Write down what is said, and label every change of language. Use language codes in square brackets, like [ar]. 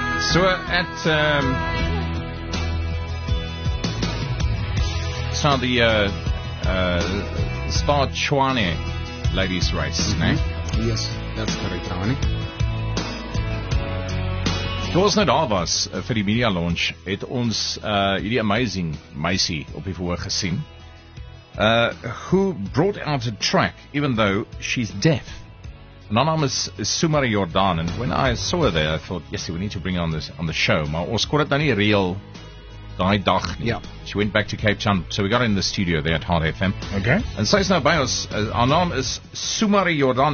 [en] So at some of the Spa Chuane ladies' race, isn't it? Yes, that's correct, Rani. [af] Dit was nou daar was vir die media launch, het ons hierdie amazing meisie op die verhoog gesien. [en] Who brought out a track, even though she's deaf. Anonymous Sumari Jordan, and when I saw her there, I thought, yes, we need to bring her on the show. [af] Maar ons kon het nou nie reël die dag nie. [en] Yeah. She went back to Cape Town, so we got in the studio there at Hard FM. Okay. And so it's now by us, our name is Sumari Jordan.